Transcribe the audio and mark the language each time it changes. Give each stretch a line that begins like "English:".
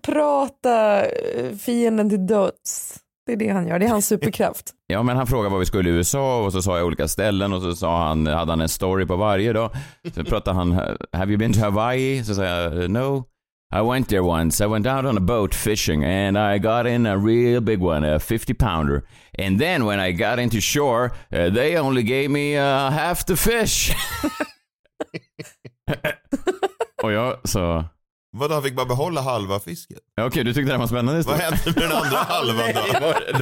Swedish: Prata fienden till döds. Det är det han gör, det är hans superkraft. Ja, men han frågade vad vi skulle i USA och så sa jag olika ställen och så sa han, hade han en story på varje då. Så pratade han,
English: have you been to Hawaii?
Swedish: Så sa jag,
English: no. I went there once, I went out on a boat fishing and I got in a real big one, a 50-pounder. And then when I got into shore, they only gave me half the fish.
Swedish: Och jag sa... Vadå, han fick bara behålla halva fisket? Ja, okej, du tyckte det var spännande. Vad hände med den andra halvan då?